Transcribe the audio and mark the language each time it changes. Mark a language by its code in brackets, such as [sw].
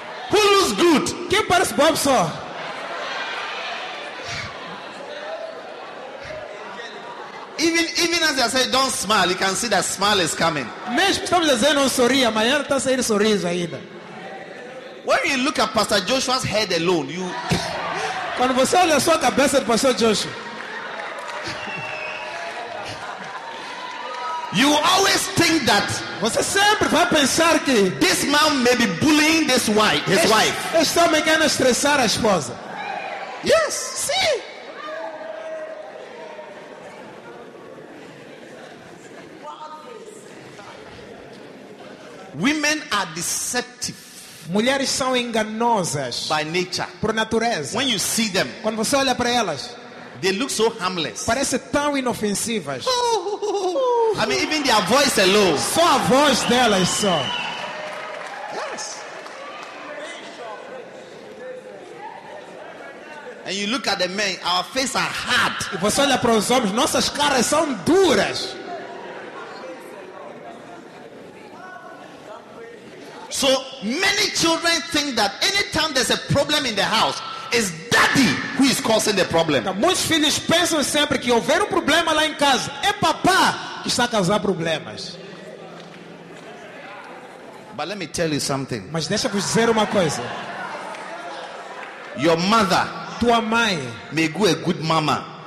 [en] Who looks good? [pt] Quem parece bom, só? [en] Even as I say, don't smile. You can see that smile is coming. [pt] Mesmo estamos dizendo não sorria, mas ele está saindo sorriso ainda. [en] When you look at Pastor Joshua's head alone, you. [pt] Quando você olha só a cabeça do Pastor Joshua. [en] You always think that. [pt] Você sempre vai pensar que [en] this man may be bullying this wife. His wife. [pt] Este homem quer estressar a esposa. [en] Yes. [pt] Sim. [en] Women are deceptive. [pt] Mulheres são enganosas. [en] By nature. [pt] Por natureza. [en] When you see them. [pt] Quando você olha para elas. [en] They look so harmless. [pt] Parecem tão inofensivas. [en] I mean, even their voice alone. [pt] Só a voz delas só. [en] Yes. And you look at the men, our faces are hard. [pt] E você olha para os homens, nossas caras são duras. [en] So many children think that anytime there's a problem in the house, it's daddy who is causing the problem. [pt] Muitos filhos pensam sempre que houver problema lá em casa, é papá que está a causar problemas. [en] But let me tell you something. [pt] Mas deixa-vos dizer uma coisa. [en] Your mother, [pt] tua mãe, [en] may go a good mama,